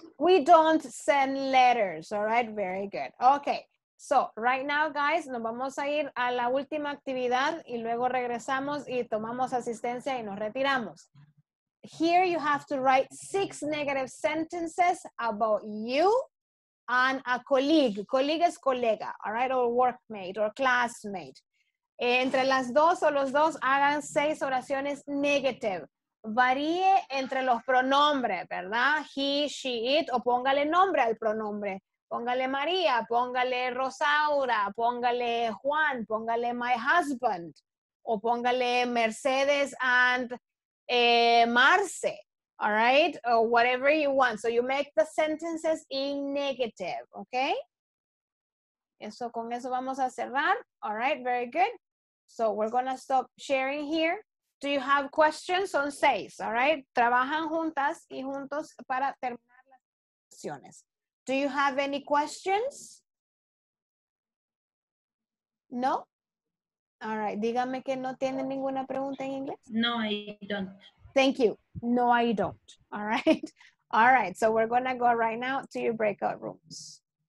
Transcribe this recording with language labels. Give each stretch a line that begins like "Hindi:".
English: We don't send letters. All right. Very good. Okay. So, right now, guys,
Spanish: nos vamos a ir a la última actividad y luego regresamos y tomamos asistencia y nos retiramos.
English: Here you have to write 6 negative sentences about you and a colleague. Colleague
Spanish: es colega,
English: all right, or workmate or classmate.
Spanish: Entre las dos o los dos, hagan 6 oraciones negative. Varíe entre los pronombres, ¿verdad?
English: He, she, it,
Spanish: o póngale nombre al pronombre. Póngale María, póngale Rosaura, póngale Juan, póngale
English: my husband,
Spanish: o póngale Mercedes
English: and Marce, all right? Or whatever you want. So you make the sentences in negative, okay?
Spanish: Eso, con eso vamos a cerrar,
English: all right? Very good. So we're gonna stop sharing here. Do you have questions?
Spanish: Son 6,
English: all right?
Spanish: Trabajan juntas y juntos para terminar las sesiones.
English: Do you have any questions?
Spanish: No?
English: All right,
Spanish: dígame que no tiene ninguna pregunta en inglés.
English: No, I don't. Thank you. No, I don't. All right. All right, so we're gonna go right now to your breakout rooms.